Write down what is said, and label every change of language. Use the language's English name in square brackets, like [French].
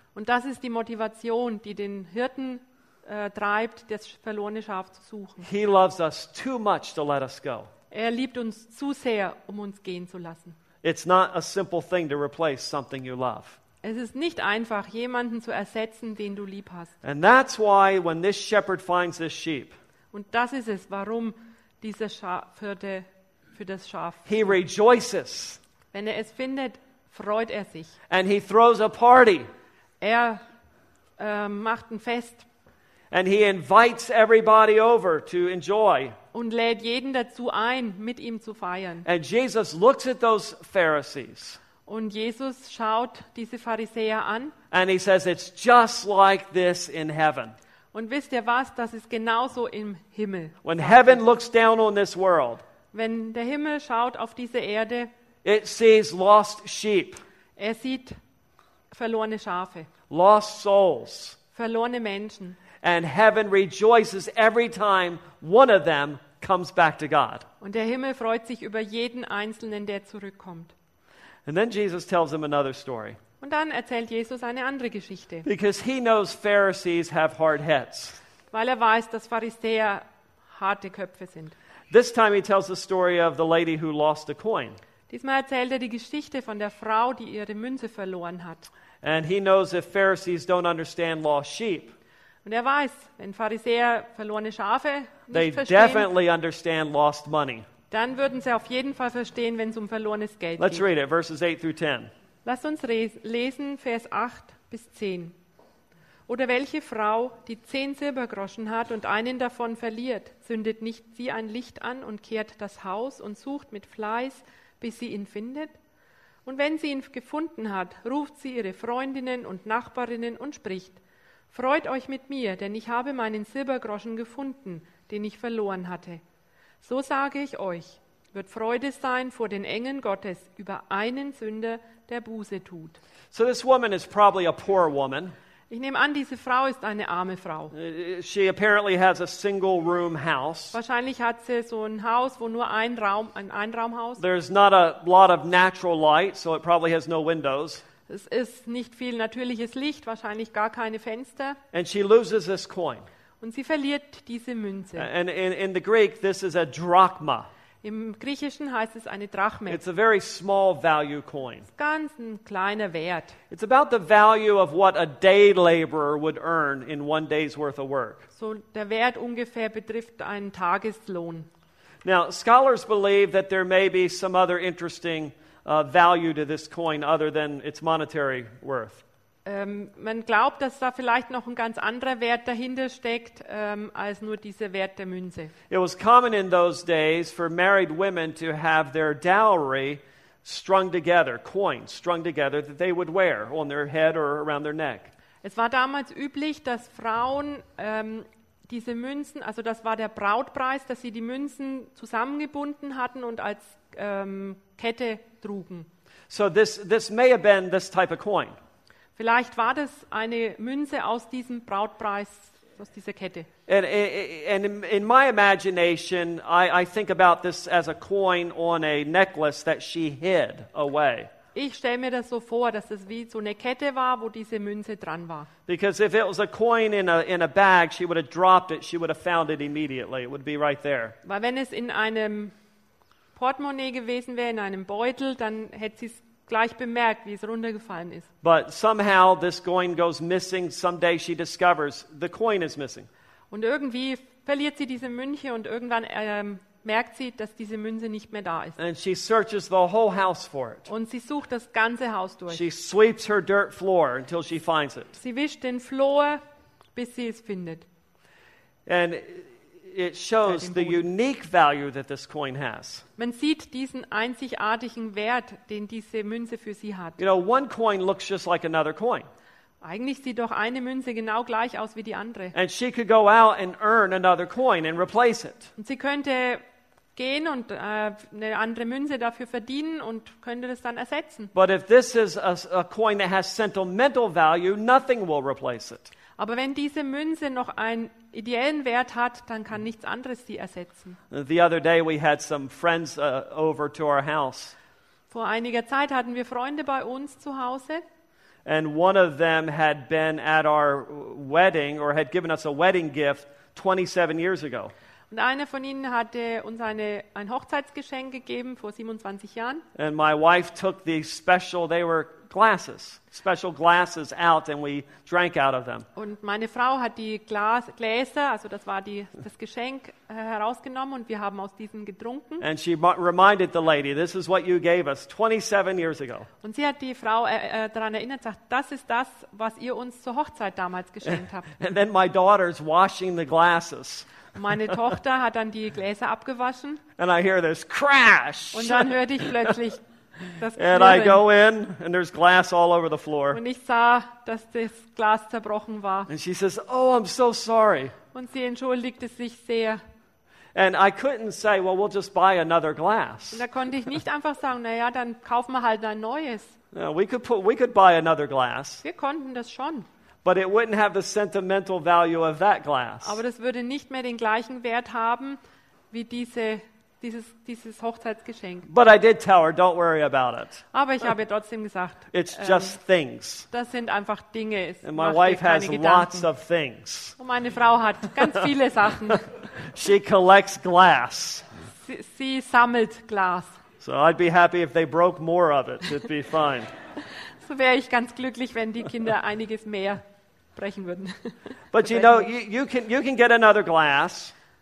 [German] Und das ist die Motivation, die den Hirten treibt, das verlorene Schaf zu suchen. [English] He loves us too much to let us go. [German] Er liebt uns zu sehr, um uns gehen zu lassen. [English] It's not a simple thing to replace something you love. [German] Es ist nicht einfach, jemanden zu ersetzen, den du lieb hast. [English] And that's why when this shepherd finds this sheep. [German] Und das ist es, warum dieser Schafhirte für das Schaf. [English] He rejoices. [German] Wenn er es findet, freut er sich. [English] And he throws a party. [German] Er macht ein Fest. [English] And he invites everybody over to enjoy. [German] Und lädt jeden dazu ein, mit ihm zu feiern. [English] And Jesus looks at those Pharisees. [German] Und Jesus schaut diese Pharisäer an. [English] And he says, it's just like this in heaven. [German] Und wisst ihr was? Das ist genauso im Himmel. [English] When heaven looks down on this world, [German] wenn der Himmel schaut auf diese Erde, [English] it sees lost sheep. [German] Er sieht verlorene Schafe. [English] Lost souls. [German] Verlorene Menschen. [English] And heaven rejoices every time one of them comes back to God. [German] Und der Himmel freut sich über jeden einzelnen, der zurückkommt. [English] And then Jesus tells him another story. [German] Und dann erzählt Jesus eine andere Geschichte. [English] Because he knows Pharisees have hard heads. [German] Weil er weiß, dass Pharisäer harte Köpfe sind. [English] This time he tells the story of the lady who lost a coin. [German] Diesmal erzählt er die Geschichte von der Frau, die ihre Münze verloren hat. [English] And he knows if Pharisees don't understand lost sheep. [German] Und er weiß, wenn Pharisäer verlorene Schafe nicht [English] they [German] verstehen, [English] definitely understand lost money. [German] Dann würden sie auf jeden Fall verstehen, wenn es verlorenes Geld [English] Let's [German] geht. [English] Let's read it, verses 8 through 10. [German] Lasst uns lesen, Vers 8 bis 10. Oder welche Frau, die 10 Silbergroschen hat und einen davon verliert, zündet nicht sie ein Licht an und kehrt das Haus und sucht mit Fleiß, bis sie ihn findet? Und wenn sie ihn gefunden hat, ruft sie ihre Freundinnen und Nachbarinnen und spricht: Freut euch mit mir, denn ich habe meinen Silbergroschen gefunden, den ich verloren hatte. So sage ich euch, wird Freude sein vor den Engeln Gottes über einen Sünder, der Buße tut. [English] So this woman is probably a poor woman. [German] Ich nehme an, diese Frau ist eine arme Frau. [English] She apparently has a single room house. [German] Wahrscheinlich hat sie so ein Haus, wo nur ein Raumhaus. [English] There's not a lot of natural light, so it probably has no windows. [German] Es ist nicht viel natürliches Licht, wahrscheinlich gar keine Fenster. [English] And she loses this coin. [German] Und sie verliert diese Münze. [English] And in the Greek, this is a drachma. [German] Im Griechischen heißt es eine Drachme. [English] It's a very small value coin. [German] Es ist ganz ein kleiner Wert. [English] It's about the value of what a day laborer would earn in one day's worth of work. [German] So der Wert ungefähr betrifft einen Tageslohn. [English] Now, scholars believe that there may be some other interesting value to this coin other than its monetary worth. [German] Man glaubt, dass da vielleicht noch ein ganz anderer Wert dahinter steckt, als nur dieser Wert der Münze. [English] It was common in those days for married women to have their dowry strung together, coins strung together that they would wear on their head or around their neck. [German] Es war damals üblich, dass Frauen diese Münzen, also das war der Brautpreis, dass sie die Münzen zusammengebunden hatten und als Kette trugen. [English] So this may have been this type of coin. [German] Vielleicht war das eine Münze aus diesem Brautpreis, aus dieser Kette. [English] And in my imagination, I think about this as a coin on a necklace that she hid away. [German] Ich stelle mir das so vor, dass es wie so eine Kette war, wo diese Münze dran war. [English] Because if it was a coin in a bag, she would have dropped it. She would have found it immediately. It would be right there. [German] Weil wenn es in einem Portemonnaie gewesen wäre, in einem Beutel, dann hätte sie es gleich bemerkt, wie es runtergefallen ist. [English] But somehow this coin goes missing. Someday she discovers the coin is missing. [German] Und irgendwie verliert sie diese Münze und irgendwann merkt sie, dass diese Münze nicht mehr da ist. [English] And she searches the whole house for it. [German] Und sie sucht das ganze Haus durch. [English] She sweeps her dirt floor until she finds it. [German] Sie wischt den Flur, bis sie es findet. [English] And it shows the unique value that this coin has. [German] Man sieht diesen einzigartigen Wert, den diese Münze für sie hat. [English] You know, one coin looks just like another coin. [German] Eigentlich sieht doch eine Münze genau gleich aus wie die andere. [English] And she could go out and earn another coin and replace it. [German] Und sie könnte gehen und eine andere Münze dafür verdienen und könnte das dann ersetzen. [English] But if this is a coin that has sentimental value, nothing will replace it. [German] Aber wenn diese Münze noch einen ideellen Wert hat, dann kann nichts anderes sie ersetzen. [English] The other day we had some friends over to our house. [German] Vor einiger Zeit hatten wir Freunde bei uns zu Hause. [English] And one of them had been at our wedding or had given us a wedding gift 27 years ago. [German] Und einer von ihnen hatte uns ein Hochzeitsgeschenk gegeben vor 27 Jahren. [English] And my wife took these special, they were glasses, special glasses out, and we drank out of them. [German] Und meine Frau hat die Gläser, also das war das Geschenk, herausgenommen und wir haben aus diesen getrunken. [English] And she reminded the lady, "This is what you gave us 27 years ago." [German] Und sie hat die Frau daran erinnert, sagt, das ist das, was ihr uns zur Hochzeit damals geschenkt habt. [English] And then my daughter's washing the glasses. [German] Meine Tochter hat dann die Gläser abgewaschen. [English] And I hear this crash. [German] Und dann hörte ich plötzlich. [English] And I go in, and there's glass all over the floor. [German] Und ich sah, dass das Glas zerbrochen war. [English] And she says, "Oh, I'm so sorry." [German] Und sie entschuldigte sich sehr. [English] And I couldn't say, "Well, we'll just buy another glass." [German] Und da konnte ich nicht einfach sagen, na ja, dann kaufen wir halt ein neues. [English] No, we could buy another glass. [German] Wir konnten das schon. [English] But it wouldn't have the sentimental value of that glass. [German] Aber das würde nicht mehr den gleichen Wert haben wie dieses Hochzeitsgeschenk. [English] But I did tell her, "Don't worry about it." [German] Aber ich habe trotzdem gesagt, [English] "It's just things." [German] Das sind einfach Dinge. [English] And my wife has lots of things. [German] Und meine Frau hat ganz viele Sachen. [English] She collects glass. [German] Sie sammelt Glas. [English] So I'd be happy if they broke more of it. It'd be fine. [German] So wäre ich ganz glücklich, wenn die Kinder einiges mehr brechen würden. [English] But you know, you can get another glass.